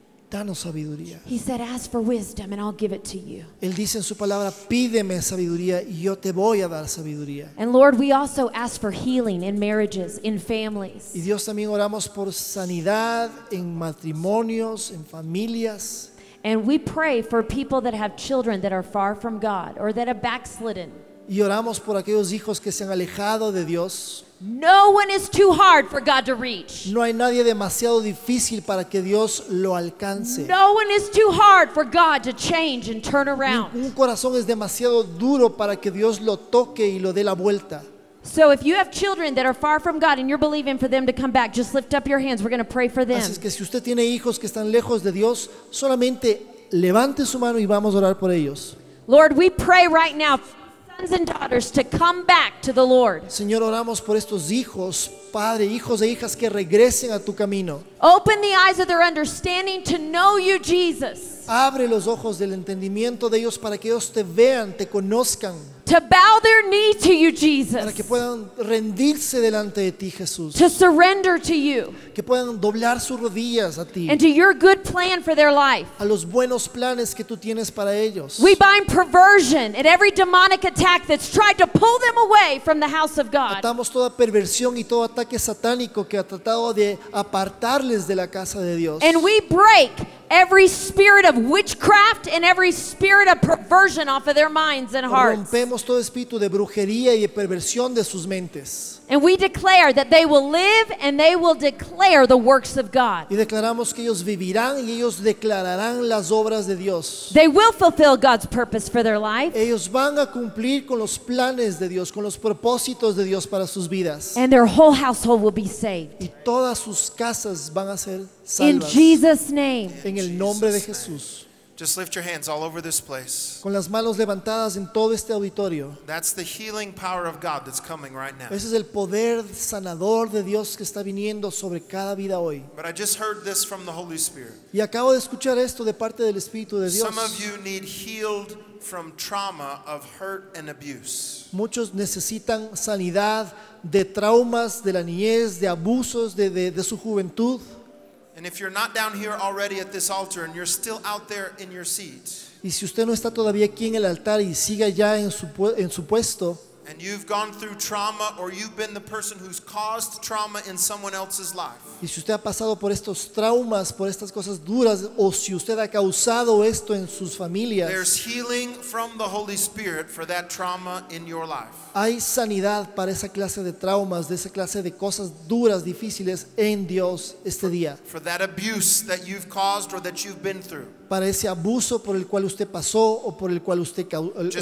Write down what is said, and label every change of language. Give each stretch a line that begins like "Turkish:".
Spanish: danos sabiduría.
English: He said, ask for wisdom and I'll give it to you.
Spanish: Él dice en su palabra, pídeme sabiduría y yo te voy a dar sabiduría.
English: And Lord, we also ask for healing in marriages, in families.
Spanish: Y Dios, también oramos por sanidad en matrimonios, en familias.
English: And we pray for people that have children that are far from God or that have backslidden.
Spanish: Y oramos por aquellos hijos que se han alejado de Dios.
English: No one is too hard for God to reach.
Spanish: No hay nadie demasiado difícil para que Dios lo alcance.
English: No one is too hard for God to change and turn around.
Spanish: Un corazón es demasiado duro para que Dios lo toque y lo dé la vuelta.
English: So if you have children that are far from God and you're believing for them to come back, just lift up your hands. We're going to pray for them.
Spanish: Así es que si usted tiene hijos que están lejos de Dios, solamente levante su mano y vamos a orar por ellos.
English: Lord, we pray right now sons and daughters to come back to the Lord.
Spanish: Señor, oramos por estos hijos, padre, hijos e hijas que regresen a tu camino.
English: Open the eyes of their understanding to know you, Jesus.
Spanish: Abre los ojos del entendimiento de ellos para que ellos te vean, te conozcan.
English: To bow their knee to you, Jesus.
Spanish: Para que puedan rendirse delante de ti, Jesús.
English: To surrender to you.
Spanish: Que puedan doblar sus rodillas a ti.
English: And to your good plan for their life.
Spanish: A los buenos planes que tú tienes para ellos.
English: We bind perversion at every demonic attack that's tried to pull them away from the house of God.
Spanish: Atamos toda perversión y todo ataque satánico que ha tratado de apartarles de la casa de Dios.
English: And we break every spirit of witchcraft and every spirit of perversion off of their minds and hearts.
Spanish: Rompemos todo espíritu de brujería y de perversión de sus mentes.
English: And we declare that they will live and they will declare the works of God.
Spanish: Y declaramos que ellos vivirán y ellos declararán las obras de Dios.
English: They will fulfill God's purpose for their life.
Spanish: Ellos van a cumplir con los planes de Dios, con los propósitos de Dios para sus vidas.
English: And their whole household will be saved.
Spanish: Y todas sus casas van a ser salvas.
English: In Jesus' name.
Spanish: En el nombre de Jesús.
English: Just lift your hands all over this place.
Spanish: Con las manos levantadas en todo este auditorio.
English: That's the healing power of God that's coming right now.
Spanish: Ese es el poder sanador de Dios que está viniendo sobre cada vida hoy.
English: But I just heard this from the Holy Spirit.
Spanish: Y acabo de escuchar esto de parte del Espíritu de Dios.
English: Some of you need healed from trauma of hurt and abuse.
Spanish: Muchos necesitan sanidad de traumas de la niñez, de abusos de su juventud.
English: And if you're not down here already at this altar and you're still out there in your seat.
Spanish: Y si usted no está todavía aquí en el altar y sigue ya en su puesto.
English: And you've gone through trauma or you've been the person who's caused trauma in someone else's life.
Spanish: Y si usted ha pasado por estos traumas, por estas cosas duras, o si usted ha causado esto en sus familias.
English: There's healing from the Holy Spirit for that trauma in your life.
Spanish: Hay sanidad para esa clase de traumas, de esa clase de cosas duras, difíciles en Dios este día.
English: For that abuse that you've caused or that you've been through.
Spanish: Para ese abuso por el cual usted pasó o por el cual usted causó.